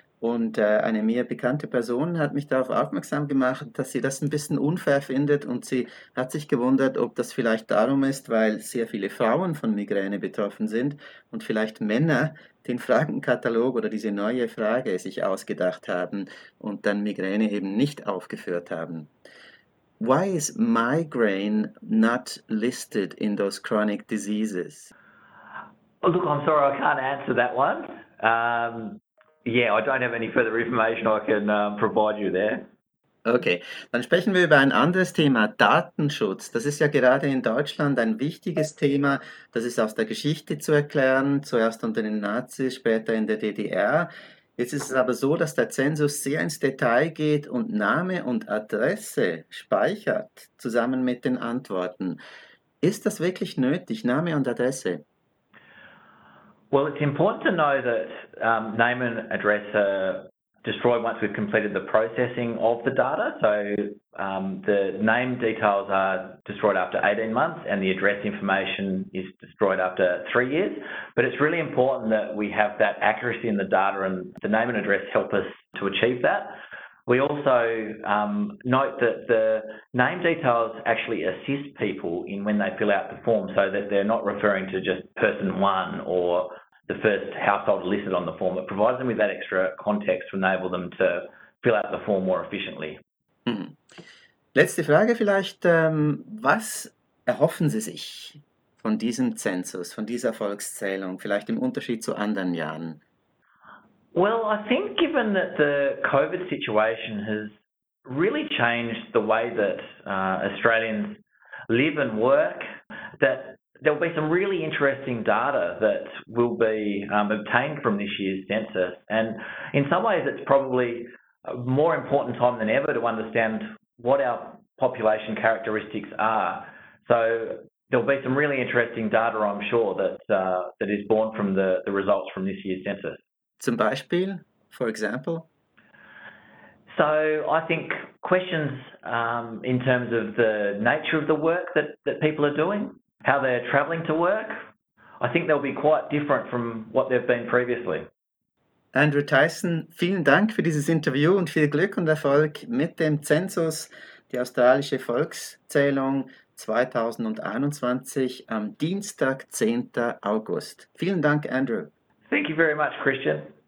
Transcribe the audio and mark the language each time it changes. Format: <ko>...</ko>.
<de>Und eine mir bekannte Person hat mich darauf aufmerksam gemacht, dass sie das ein bisschen unfair findet. Und sie hat sich gewundert, ob das vielleicht darum ist, weil sehr viele Frauen von Migräne betroffen sind und vielleicht Männer den Fragenkatalog oder diese neue Frage sich ausgedacht haben und dann Migräne eben nicht aufgeführt haben.</de> <en>Why is migraine not listed in those chronic diseases? Oh, look, I'm sorry, I can't answer that one. Yeah, I don't have any further information I can provide you there.</en> <de>Okay, dann sprechen wir über ein anderes Thema, Datenschutz. Das ist ja gerade in Deutschland ein wichtiges Thema. Das ist aus der Geschichte zu erklären, zuerst unter den Nazis, später in der DDR. Jetzt ist es aber so, dass der Zensus sehr ins Detail geht und Name und Adresse speichert, zusammen mit den Antworten. Ist das wirklich nötig, Name und Adresse?</de> <en>Well, it's important to know that name and address are destroyed once we've completed the processing of the data. So the name details are destroyed after 18 months and the address information is destroyed after 3 years. But it's really important that we have that accuracy in the data, and the name and address help us to achieve that. We also note that the name details actually assist people in when they fill out the form, so that they're not referring to just person one or the first household listed on the form. It provides them with that extra context to enable them to fill out the form more efficiently.</en> <de>Letzte Frage vielleicht. Was erhoffen Sie sich von diesem Zensus, von dieser Volkszählung, vielleicht im Unterschied zu anderen Jahren?</de> <en>Well, I think given that the COVID situation has really changed the way that Australians live and work, that there will be some really interesting data that will be obtained from this year's census. And in some ways, it's probably a more important time than ever to understand what our population characteristics are. So there'll be some really interesting data, I'm sure, that that is born from the results from this year's census.</en> <de>Zum Beispiel,</de> <en>for example? So I think questions in terms of the nature of the work that people are doing, how they're travelling to work, I think they'll be quite different from what they've been previously.</en> <de>Andrew Tyson, vielen Dank für dieses Interview und viel Glück und Erfolg mit dem Zensus, die australische Volkszählung 2021 am Dienstag, 10. August. Vielen Dank, Andrew.</de> <en>Thank you very much, Christian.</en>